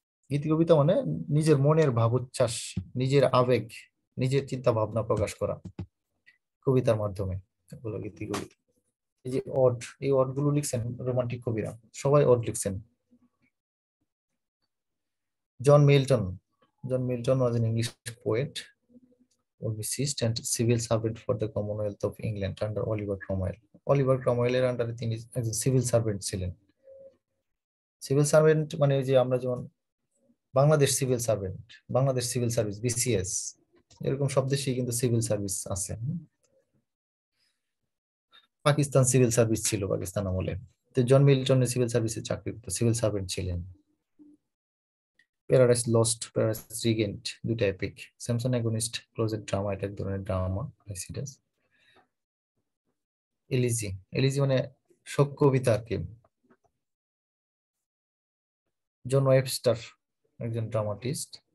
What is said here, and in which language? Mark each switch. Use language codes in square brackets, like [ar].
[bn] গীতি কবিতা মানে নিজের মনের ভাব উচ্ছ্বাস নিজের আবেগ নিজের চিন্তা ভাবনা প্রকাশ করা কবিতার মাধ্যমে এগুলো গীতি কবিতা এই যে অড এই অড গুলো লিখছেন রোমান্টিক কবিরা সবাই অড লিখছেন John Milton John Milton [en] Was an English poet publicist and civil servant for the Commonwealth of England under Oliver Cromwell. [bn] Oliver Cromwell এর under তিনি একজন civil servant ছিলেন. Civil servant মানে যে আমরা যেমন Bangladesh civil servant, Bangladesh civil service, BCS, এরকম সব দেশে কিন্তু civil service আছে. পাকিস্তান civil service ছিল পাকিস্তান আমলে. তো জন মিল্টন এর civil service এ চাকরি করতো civil servant ছিলেন. Paradise Lost, Paradise Regained, দুটা epic. Samson Agonist, Closet Drama, এটা এক ধরনের drama, Lycidas. Elegy, Elegy মানে শোক কবিতা আর কি. John Webster, একজন dramatist.